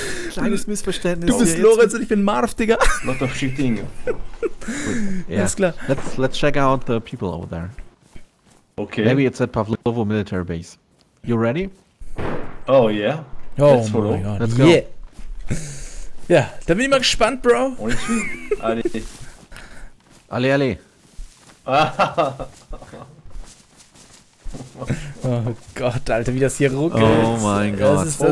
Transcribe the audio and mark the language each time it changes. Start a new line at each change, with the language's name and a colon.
German: Kleines Missverständnis. Du bist Lorenz und ich bin Marv, Digga.
English: Lot of shooting.
German: Yeah. Alles klar.
English: Let's check out the people over there. Okay. Maybe it's at Pavlovo Military Base. You ready? Oh, yeah. Oh, let's follow. God. Let's go. Yeah.
German: Ja, da bin ich mal gespannt, Bro. Alle, alle. Oh Gott, Alter, wie das hier ruckelt. Oh mein Gott.